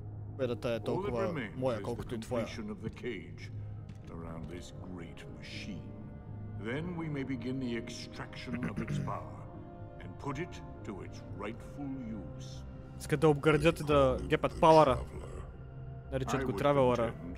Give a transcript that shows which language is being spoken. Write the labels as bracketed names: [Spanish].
[Bulgarian] Победата е толкова моя, колкото и твоя. [English] Then we may begin the extraction of its power and put it to its rightful use. [Bulgarian] Искат да обградят и да гепат Пауъра. Наричат го Травелъра.